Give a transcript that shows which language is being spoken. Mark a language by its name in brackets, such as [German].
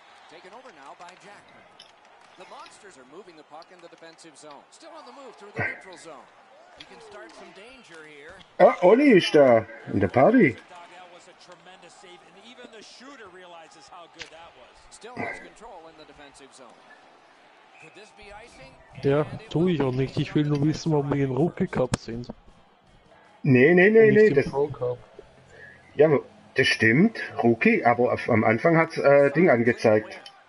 [English] Taken over now by Jackman. The Monsters are moving the puck in the defensive zone. Still on the move through the neutral zone. He can start some danger here. [German] Ah, Olli ist da in der Party. [English] That was a tremendous save, and even the shooter realizes how good that was. Still has control in the defensive zone. Could this be icing? [German] Ja, tue ich auch nicht. Ich will nur wissen, warum wir in Rookie Cup sind. Nee, das Pro Cup. Ja, das stimmt, Rookie, aber am Anfang hat's Ding angezeigt.